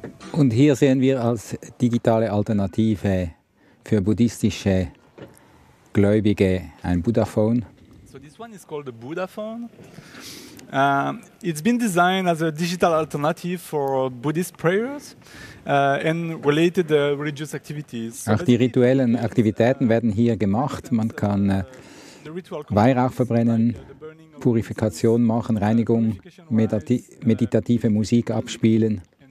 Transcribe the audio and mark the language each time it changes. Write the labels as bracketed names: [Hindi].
[German] Und hier sehen wir als digitale Alternative für buddhistische Gläubige ein Buddha-Phone. [English] So this one is called a Buddha-Phone. It's been designed as a digital alternative for Buddhist prayers and related religious activities. [German] Auch die rituellen Aktivitäten werden hier gemacht. Man kann Weihrauch verbrennen, Purifikation machen, Reinigung, meditative Musik abspielen.